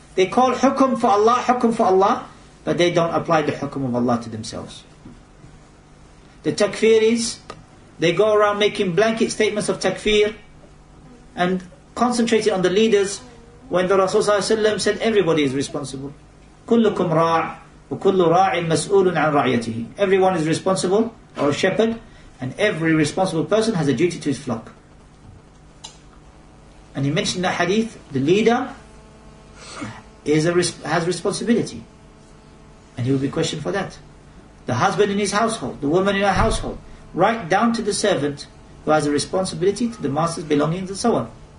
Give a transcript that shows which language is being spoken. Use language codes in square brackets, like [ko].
[en] They call hukum for Allah, but they don't apply the hukum of Allah to themselves. The takfiris, they go around making blanket statements of takfir and concentrating on the leaders when the Rasulullah said everybody is responsible. [ar] كلكم راع وكل راع مسؤول عن رعيته. [en] Everyone is responsible, or a shepherd, and every responsible person has a duty to his flock. And he mentioned that hadith, the leader has responsibility. And he will be questioned for that. The husband in his household, the woman in her household, right down to the servant who has a responsibility to the master's belongings and so on.